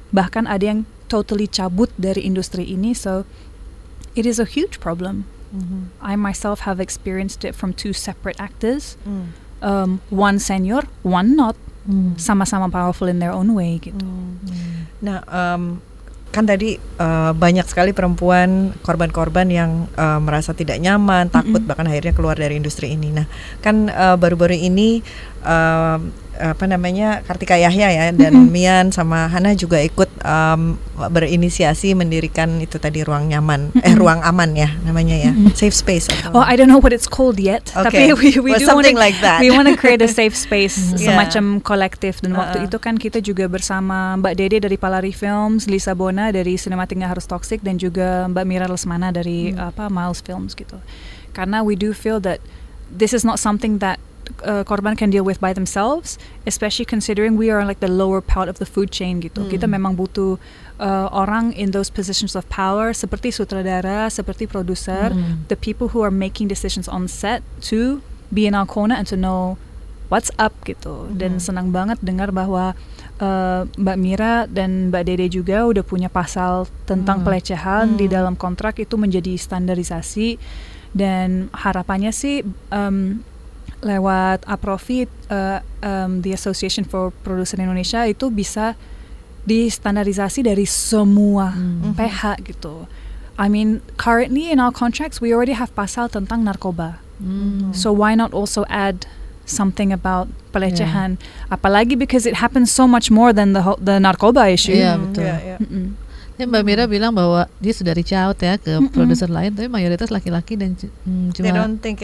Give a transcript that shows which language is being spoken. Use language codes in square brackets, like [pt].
[id] Bahkan ada yang totally cabut dari industri ini. [en] So it is a huge problem. I myself have experienced it from two separate actors. One senior, one not. Sama-sama powerful in their own way gitu. [id] Nah, kan tadi banyak sekali perempuan korban-korban yang merasa tidak nyaman, takut bahkan akhirnya keluar dari industri ini. Nah, kan baru-baru ini apa namanya, Kartika Yahya ya dan Mian sama Hana juga ikut berinisiasi mendirikan itu tadi ruang nyaman, ruang aman ya namanya ya, safe space. [en] Oh, well, I don't know what it's called yet. Okay. Tapi we want to create a safe space [id] semacam kolektif. Dan waktu itu kan kita juga bersama Mbak Dede dari Palari Films, Lisa Bona dari Sinematik Nggak Harus Toxic, dan juga Mbak Mira Lesmana dari Miles Films gitu. [en] Karena we do feel that this is not something that korban can deal with by themselves, especially considering we are like the lower part of the food chain gitu. [id] Kita memang butuh orang [en] in those positions of power, [id] seperti sutradara, seperti produser, [en] the people who are making decisions on set to be in our corner and to know what's up gitu. [id] Dan senang banget dengar bahwa Mbak Mira dan Mbak Dede juga udah punya pasal tentang pelecehan di dalam kontrak, itu menjadi standarisasi. Dan harapannya sih lewat APROFI, the Association for Producers Indonesia, itu bisa distandarisasi dari semua PH gitu. [en] I mean, currently in our contracts, we already have [id] pasal tentang narkoba. [en] So why not also add something about pelecehan? Apalagi because it happens so much more than the narkoba issue. [id] Iya, betul. Mbak Mira bilang bahwa dia sudah [en] reach out [id] ya ke produser lain, tapi mayoritas laki-laki dan cuma